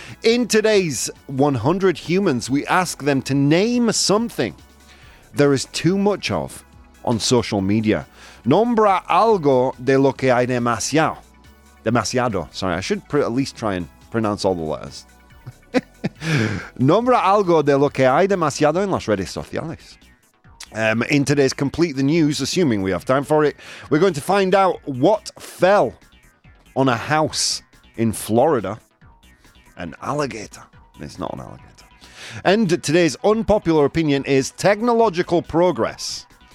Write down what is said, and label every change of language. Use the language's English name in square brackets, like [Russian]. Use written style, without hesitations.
[English] In today's 100 Humans, we ask them to name something there is too much of on social media. [Spanish] Nombra algo de lo que hay demasiado. Demasiado. [English] Sorry, I should at least try and pronounce all the letters. [Spanish] Nombra algo de lo que hay demasiado en las redes sociales. [English] In today's Complete the News, assuming we have time for it, we're going to find out what fell on a house in Florida. An alligator. It's not an alligator. And today's unpopular opinion is technological progress.